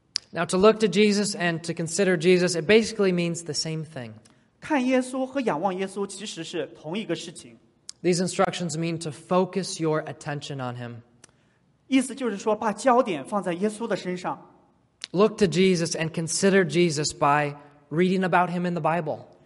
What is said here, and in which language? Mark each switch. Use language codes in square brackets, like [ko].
[en] Now to look to Jesus and to consider Jesus, it basically means the same thing. [zh] 看耶稣和仰望耶稣其实是同一个事情。 [en] These instructions mean to focus your attention on him. [zh] 意思就是说把焦点放在耶稣的身上。 [en] Look to Jesus and consider Jesus by reading about him in the Bible.